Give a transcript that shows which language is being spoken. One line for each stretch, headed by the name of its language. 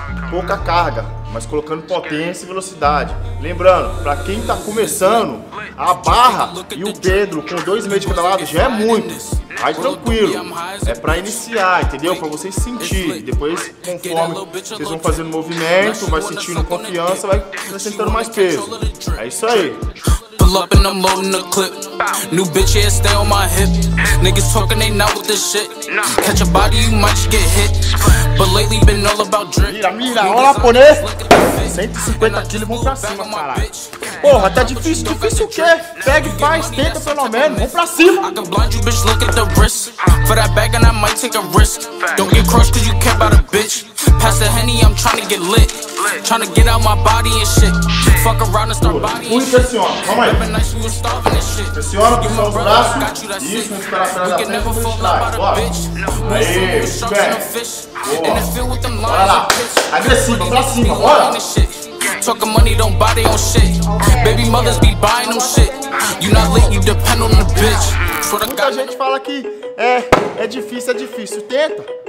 Portuguese: Pouca carga, mas colocando potência e velocidade. Lembrando, pra quem tá começando, a barra e o pêndulo com 2,5 de cada lado já é muito. Vai tranquilo, é pra iniciar, entendeu? Pra vocês sentirem. Depois, conforme vocês vão fazendo movimento, vai sentindo confiança, vai acrescentando mais peso. É isso aí.
English: Pull up and I'm loading a clip. New bitch, yeah, stay on my hip. Niggas talking, they not with this shit. Catch a body, you might get hit. But lately been all about drip.
Portuguese: Mira, mira, olha lá, pônei. 150 kg, vamos pra cima, caralho. Porra, tá difícil, difícil o quê? Pega e faz, tenta pelo menos, vamos pra cima.
English: I can blind you, bitch, look at the wrist. For that bag and I might take a risk. Don't get crushed cause you care about a bitch. Pass the Henny, I'm trying to get lit. Trying to get out my body and shit. Fuck around and start body and shit.
Portuguese: Pula, pressiona, calma aí. Pressiona, puxa os braços. Isso, espera a perna da frente, bora. Aê, espere. Boa. Bora lá, agressiva, pra cima, bora.
English: Talking money don't buy their own shit. Baby mothers be buying them shit. You not lit, you depend on the bitch.
Portuguese: Muita gente fala que é difícil, tenta.